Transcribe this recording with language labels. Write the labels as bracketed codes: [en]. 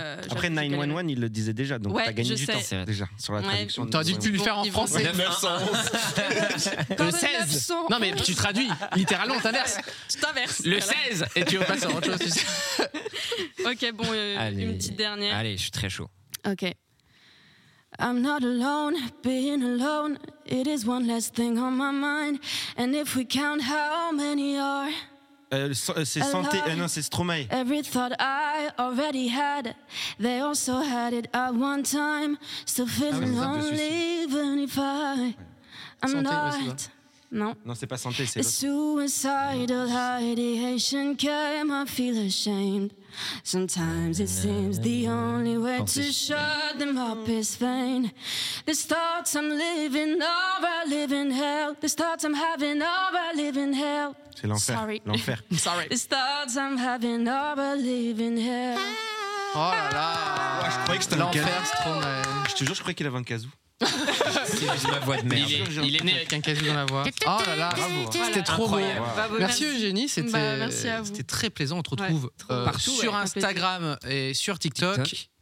[fr] Après, 911, il le disait déjà, donc t'as gagné du temps déjà sur la traduction. T'aurais dû plus le faire en français. 911. Le 16. Non, mais tu traduis littéralement, t'inverses. Tu t'inverses. Le 16. Et tu veux passer à autre chose, tu sais. Ok, bon, une petite dernière. Allez, je suis très chaud. Ok. [en] I'm not alone, being alone, it is one less thing on my mind. And if we count how many are [fr] C'est Santé, non c'est Stromae. [en] Every thought I already had, they also had it at one time. Still feeling lonely even if I I'm not. [fr] Non. Non, c'est pas Santé, c'est l'autre. [en] Suicidal ideation came, I feel ashamed. Sometimes it seems the only way to shut them up is vain. These thoughts I'm living, oh, I live in hell. These thoughts I'm having, oh, I live in hell. [fr] C'est l'enfer. [en] Sorry. [fr] L'enfer. [en] Sorry. These thoughts I'm having, oh, I live in hell. [fr] Oh là là. Ouais, je croyais que c'était l'enfer, Stromae. Je te jure, je croyais qu'il avait un casou. C'est ma voix de merde. Il est né avec un casou dans la voix. Oh là là, bravo. C'était trop beau. Bravo. Merci Eugénie, c'était très plaisant. On te retrouve sur Instagram et sur TikTok.